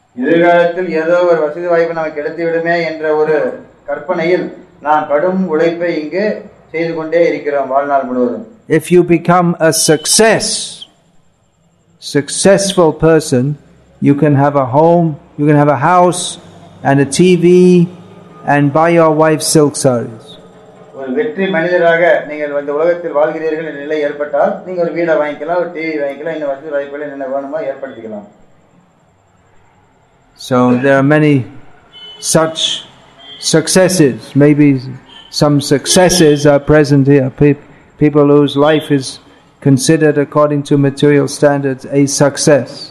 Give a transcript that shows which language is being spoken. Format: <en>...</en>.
<en>If you become a successful person, you can have a home, you can have a house and a TV and buy your wife silk saris.</en> <ta>ஒரு வெற்றி மனிதராக நீங்கள் இந்த உலகத்தில் வாழ்கிறீர்கள் என்ற நிலை ஏற்பட்டால் நீங்கள் ஒரு வீடை வாங்கிக்கலாம், ஒரு டிவி வாங்கிக்கலாம், இன்னும் வசதி வாய்ப்புகளை என்ன வேணுமோ ஏற்படுத்திக்கலாம்.</ta> <en>So there are many such successes. Maybe some successes are present here. People whose life is considered according to material standards a success.</en>